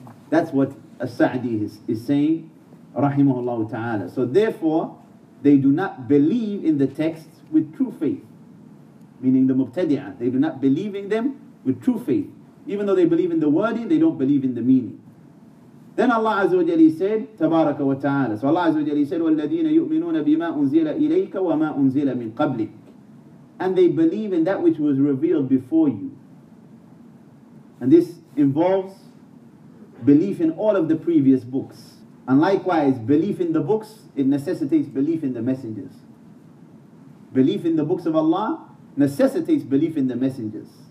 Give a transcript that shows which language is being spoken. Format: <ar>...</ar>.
<en>That's what As-Sa'di is saying, rahimahullah ta'ala. So therefore, they do not believe in the text with true faith, meaning the mubtadi'ah. They do not believe in them with true faith. Even though they believe in the wording, they don't believe in the meaning. Then Allah Azza wa Jalla said, Tabarak wa Ta'ala. So Allah Azza wa Jalla said,</en> <ar>وَالَّذِينَ يُؤْمِنُونَ بِمَا أُنزِلَ إِلَيْكَ وَمَا أُنزِلَ مِنْ قَبْلِكَ.</ar> <en>And they believe in that which was revealed before you. And this involves belief in all of the previous books. And likewise, belief in the books, it necessitates belief in the messengers. Belief in the books of Allah necessitates belief in the messengers.</en>